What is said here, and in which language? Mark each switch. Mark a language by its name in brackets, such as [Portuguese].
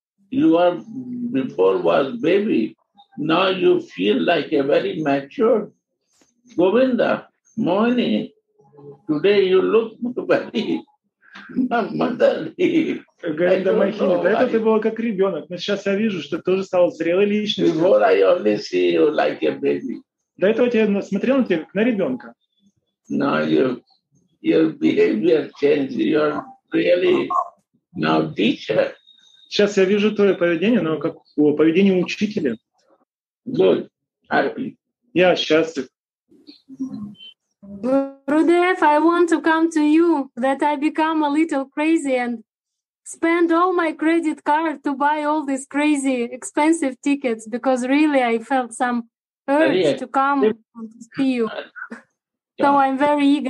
[English] you are before was baby, now you feel like a very mature Govinda, Mohini. Today you look very motherly. [Russian] Говинда Мохини, до этого ты была как ребенок, но сейчас я вижу, что ты тоже стала зрелой личностью. [English] Before I only see you like a baby. [Russian] До этого я смотрел на тебя как на ребенка. [English] Now your behavior changed. You're really now teacher. [Russian] Сейчас я вижу твое поведение, но как поведение учителя. [English] Good, happy. [Russian] Я счастлив. [English] Gurudev, I want to come to you that I become a little crazy and spend all my credit card to buy all these crazy expensive tickets because really I felt some urge to come to see you. So I'm very eager.